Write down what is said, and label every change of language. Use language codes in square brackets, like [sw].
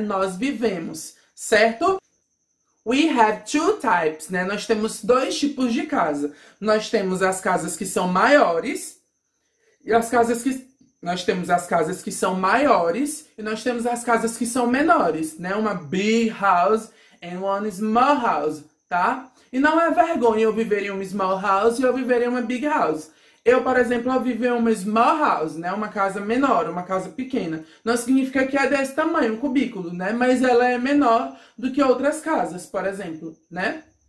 [pt] Nós vivemos, certo? [en] We have two types, [pt] né? Nós temos dois tipos de casa. Nós temos as casas que são maiores e as casas que nós temos as casas que são maiores e nós temos as casas que são menores, né? Uma [en] big house and one small house, tá? [pt] E não é vergonha eu viver em uma [en] small house [pt] e eu viver em uma [en] big house. [pt] Eu, por exemplo, eu vivo em uma [en] small house, [pt] né? Uma casa menor, uma casa pequena. Não significa que é desse tamanho, um cubículo, né? Mas ela é menor do que outras casas, por exemplo, né?